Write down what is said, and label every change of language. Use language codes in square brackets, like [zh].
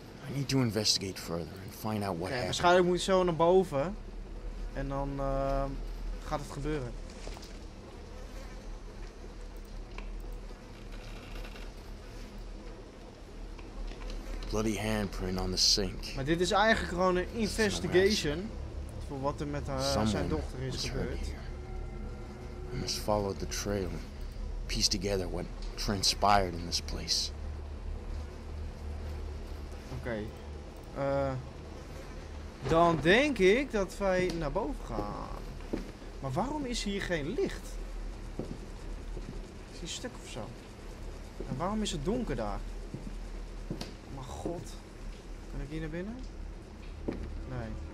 [en] I need to investigate further and find out what happened. [nl] Waarschijnlijk moet ik zo naar boven. En dan gaat het gebeuren. [en] Bloody handprint on the sink. [nl] Maar dit is eigenlijk gewoon een investigation voor wat er met zijn dochter is gebeurd. [en] I must follow the trail and piece together what transpired in this place. [nl] Oké. Dan denk ik dat wij naar boven gaan. Maar waarom is hier geen licht? Is hier stuk of zo? En waarom is het donker daar? Mijn god. Kan ik hier naar binnen? Nee.